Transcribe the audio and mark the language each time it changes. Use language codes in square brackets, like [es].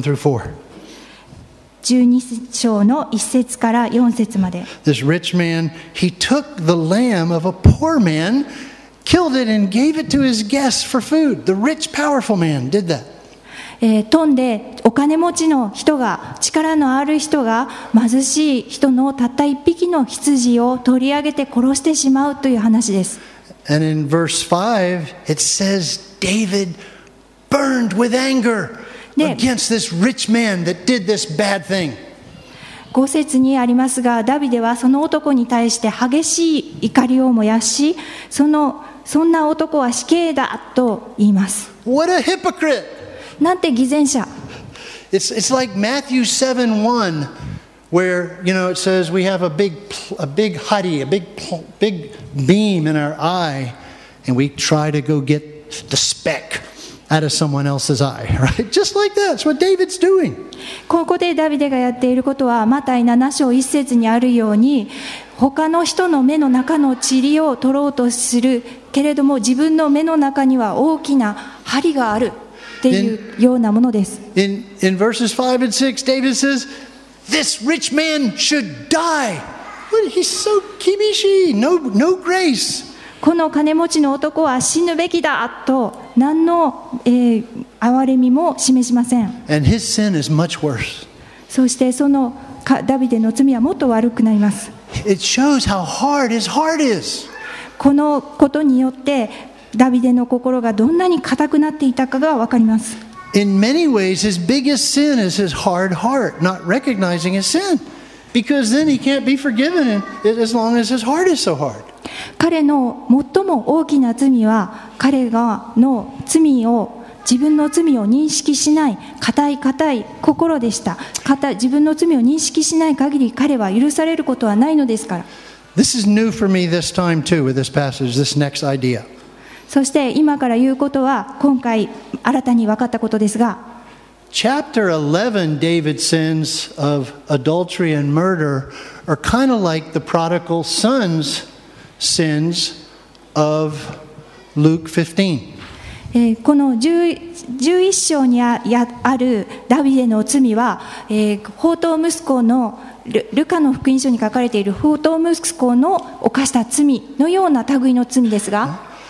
[en] through 4 [ja] 12章の1節から4節まで。 [en] This rich man, he took the lamb of a poor man, killed it and gave it to his guests for food. The rich, powerful man did that. [ja] 飛んでお金持ちの人が、力のある人が貧しい人のたった一匹の羊を取り上げて殺してしまうという話です。 [en] And in verse 5, it says DavidBurned with anger against this rich man that did this bad thing. [ja] 五節にありますが、ダビデはその男に対して激しい怒りを燃やし、そんな男は死刑だと言います。 [en] What a hypocrite! [ja] なんて偽善者。 [en] It's like Matthew 7:1, where you know it says we have a big hari, a big beam in our eye, and we try to go get the speck. Out of someone else's eye, right? Just like that. That's what David's doing. [ja] ここでダビデがやっていることは、マタイ7章1節にあるように、他の人の目の中の塵を取ろうとするけれども、自分の目の中には大きな針があるっていうようなものです。 [en] In verses 5 and 6, David says, "This rich man should die." But he's so kimishi. No grace. [ja] この金持ちの男は死ぬべきだと何の、憐れみも示しません。 [en] And his sin is much worse. [ja] そしてそのダビデの罪はもっと悪くなります。 [en] It shows how hard his heart is. [ja] このことによってダビデの心がどんなに固くなっていたかが分かります。 [en] In many ways his biggest sin is his hard heart, not recognizing his sin. Because then he can't be forgiven as long as his heart is so hard. [ja] 彼の最も大きな罪は彼がの罪を自分の罪を認識しない固い心でした。自分の罪を認識しない限り彼は許されることはないのですから。 [en] This is new for me this time too with this passage, this next idea. [ja] そして今から言うことは今回新たに分かったことですが、 [en] Chapter 11, David's sins of adultery and murder are kind of like the prodigal son's. Sins of Luke 15. [ja] この11章にあるダビデの罪は、放蕩息子の ルカの福音書に書かれている放蕩息子の犯した罪のような類の罪ですが、